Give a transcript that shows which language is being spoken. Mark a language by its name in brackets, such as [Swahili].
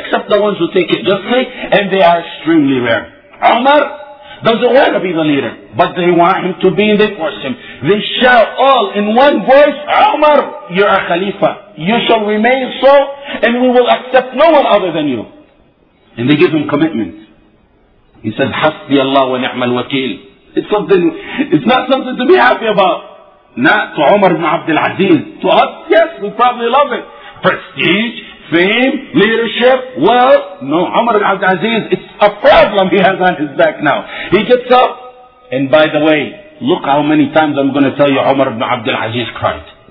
[English] Except the ones who take it justly, and they are extremely rare. Umar doesn't want to be the leader, but they want him to be, and they force him. They shout all in one voice, Umar, you're a Khalifa. You shall remain so, and we will accept no one other than you. And they give him commitment. He said, [Arabic] حَسْبِي اللَّهُ وَنِعْمَ الْوَكِيلِ. [English] It's not something to be happy about. Not to Umar ibn Abd al-Aziz. To us, yes, we probably love it. Prestige, fame, leadership, well, no, Umar ibn Abd al-Aziz, it's a problem he has on his back now. He gets up, and by the way, look how many times I'm going to tell you Umar ibn Abd al-Aziz cried.